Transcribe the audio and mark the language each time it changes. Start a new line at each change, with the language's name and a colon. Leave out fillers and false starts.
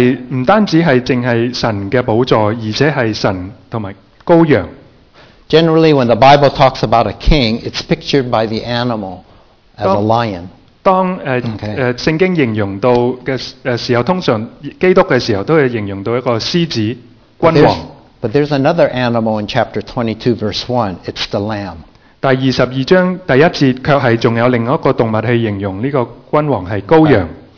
Cantonese: 唔单止系净系神嘅宝座，而且系神同埋羔羊。
English: Generally, when the Bible talks about a king, it's pictured by the animal as a lion.
Cantonese: 圣经形容到嘅时候，通常基督嘅时候都系形容到一个狮子君王。
English: But there's another animal in chapter 22, verse 1. It's the lamb.
Cantonese: 第二十二章第一节却系仲有另一个动物去形容呢个君王系羔羊。